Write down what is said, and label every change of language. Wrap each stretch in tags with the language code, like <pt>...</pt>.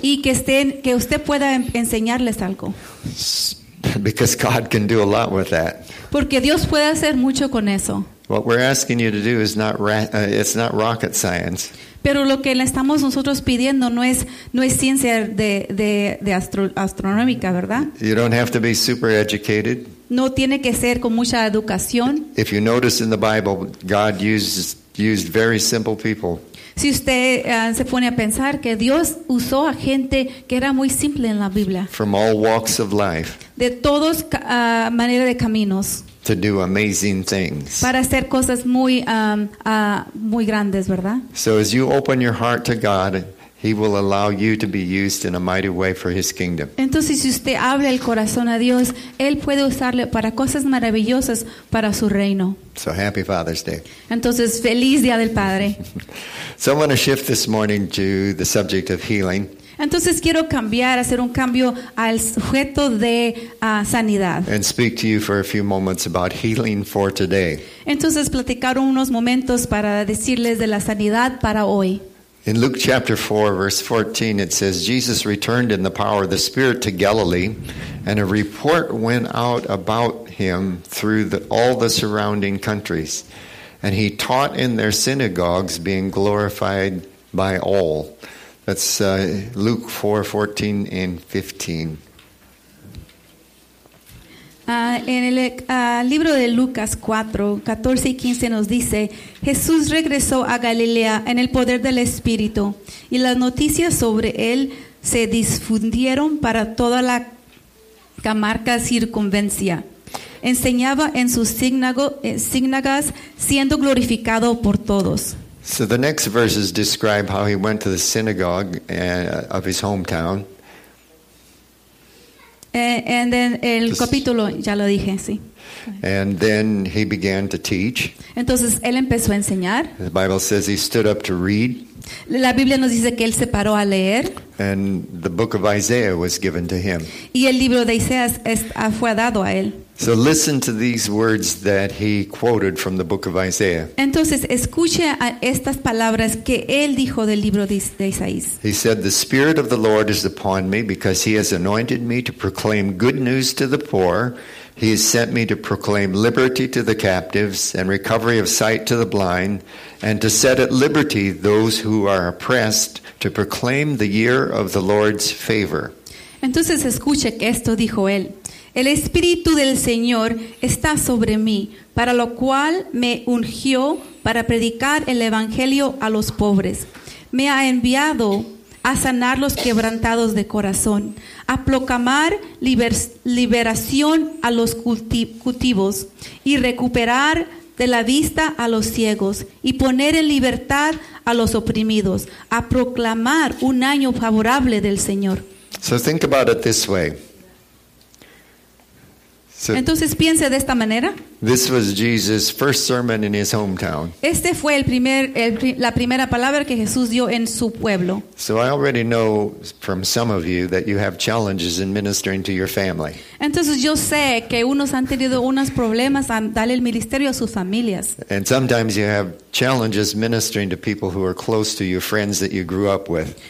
<es>Y que usted pueda enseñarles algo.</es> <en>Because God can do a lot with that.</en> <es>Porque Dios puede hacer mucho con eso.</es> <en>What we're asking you to do is not rocket science.</en> <es>Pero lo que le estamos nosotros pidiendo no es ciencia de astronómica, ¿verdad?</es> <en>You don't have to be super educated.</en> <es>No tiene que ser con mucha educación.</es> <en>If you notice in the Bible, God used very simple people.</en> <es>Si usted se pone a pensar que Dios usó a gente que era muy simple en la Biblia.</es> <en>From all walks of life.</en> <es>De todos maneras de caminos.</es> <en>To do amazing things.</en> <es>Para hacer cosas muy muy grandes, ¿verdad?</es> <en>So as you open your heart to God, he will allow you to be used in a mighty way for his kingdom.</en> <es>Entonces si usted abre el corazón a Dios, él puede usarle para cosas maravillosas para su reino.</es> <en>So happy Father's Day.</en> <es>Entonces feliz Día del Padre.</es> <en>So I'm going to shift this morning to the subject of healing.</en> <es>Entonces quiero cambiar, hacer un cambio al sujeto de sanidad.</es> <en>And speak to you for a few moments about healing for today.</en> <es>Entonces platicar unos momentos para decirles de la sanidad para hoy.</es> <en>In Luke chapter 4, verse 14, it says, Jesus returned in the power of the Spirit to Galilee, and a report went out about him through all the surrounding countries. And he taught in their synagogues, being glorified by all. That's Luke 4, 14 and 15.</en> <es>En el libro de Lucas 4, 14 y 15 nos dice, Jesús regresó a Galilea en el poder del Espíritu y las noticias sobre él se difundieron para toda la comarca circunvencia. Enseñaba en sus sinagogas siendo glorificado por todos.</es> <en>So the next verses describe how he went to the synagogue of his hometown. And then</en> <es>el capítulo ya lo dije, sí.</es> <en>And then he began to teach.</en> <es>Entonces él empezó a enseñar.</es> <en>The Bible says he stood up to read.</en> <es>La Biblia nos dice que él se paró a leer.</es> <en>And the book of Isaiah was given to him.</en> <es>Y el libro de Isaías fue dado a él.</es> <en>So listen to these words that he quoted from the book of Isaiah.</en> <es>Entonces escuche a estas palabras que él dijo del libro de Isaías.</es> <en>He said, "The Spirit of the Lord is upon me because he has anointed me to proclaim good news to the poor. He has sent me to proclaim liberty to the captives and recovery of sight to the blind and to set at liberty those who are oppressed to proclaim the year of the Lord's favor."</en> <es>Entonces escuche que esto dijo él. El Espíritu del Señor está sobre mí, para lo cual me ungió para predicar el Evangelio a los pobres. Me ha enviado a sanar los quebrantados de corazón, a proclamar liberación a los cautivos y recuperar de la vista a los ciegos y poner en libertad a los oprimidos, a proclamar un año favorable del Señor.</es> <en>So think about it this way.</en> <es>So, entonces piense de esta manera.</es> <en>This was Jesus' first sermon in his hometown.</en> <es>Este fue la primera palabra que Jesús dio en su pueblo.</es> <en>So I already know from some of you that you have challenges in ministering to your family.</en> <es>Entonces yo sé que unos han tenido unos problemas al darle el ministerio a sus familias.</es> <en>And sometimes you have challenges ministering to people who are close to you, friends that you grew up with.</en>